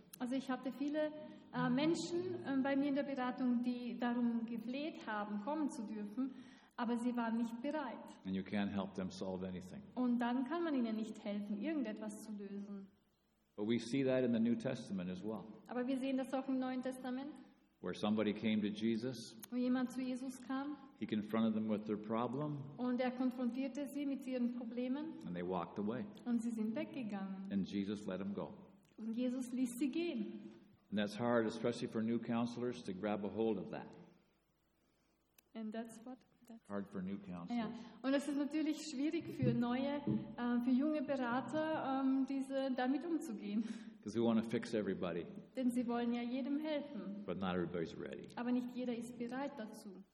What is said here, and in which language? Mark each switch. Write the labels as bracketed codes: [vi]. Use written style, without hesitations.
[de] Also ich hatte viele Menschen bei mir in der Beratung, die darum gefleht haben, kommen zu dürfen, aber sie waren nicht bereit. [en] And you can't help them solve anything. [de] Und dann kann man ihnen nicht helfen, irgendetwas zu lösen. [en] But we see that in the New Testament as well. [de] Aber wir sehen das auch im Neuen Testament. [en] Where somebody came to Jesus. [de] Wo jemand zu Jesus kam. [en] He confronted them with their problem. [de] Und er konfrontierte sie mit ihren Problemen. [en] And they walked away. [de] Und sie sind weggegangen. [en] And Jesus let them go. [de] Und Jesus ließ sie gehen. [en] And that's hard, especially for new counselors, to grab a hold of that. And that's what? That's hard for new counselors. [de] Ja. Und es ist natürlich schwierig für neue, für junge Berater, diese damit umzugehen. [en] Because we want to fix everybody. [de] Denn sie wollen ja jedem helfen. [en] But not everybody's ready. [de] Aber nicht jeder ist bereit dazu.